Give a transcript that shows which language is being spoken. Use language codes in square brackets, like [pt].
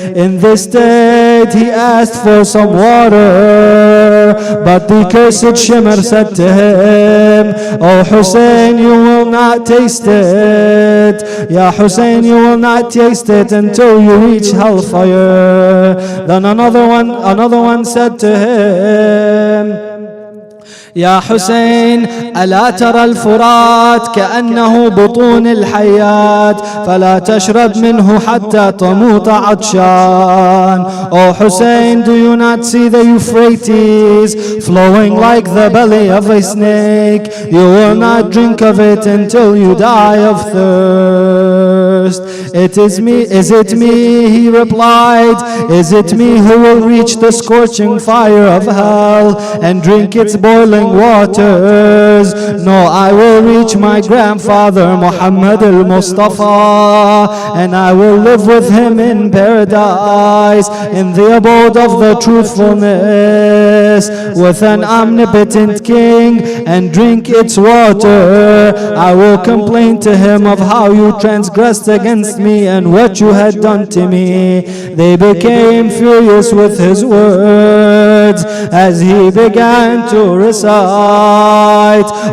[en] In this state, he asked for some water, but the cursed Shimmer said to him, O Hussein, you will not taste it. Ya Hussein, you will not taste it until you reach hellfire. Then another one said to him, [ar] يا حسين ألا ترى الفرات كأنه بطون الحيات فلا تشرب منه حتى تموت عطشان. [en] Oh Hussein, do you not see the Euphrates flowing like the belly of a snake? You will not drink of it until you die of thirst. It is me, is it me, he replied, is it me who will reach the scorching fire of hell and drink its boiling waters? No, I will reach my grandfather Muhammad al-Mustafa, and I will live with him in paradise, in the abode of the truthfulness, with an omnipotent king, and drink its water. I will complain to him of how you transgressed against me and what you had done to me. They became furious with his words as he began to recite,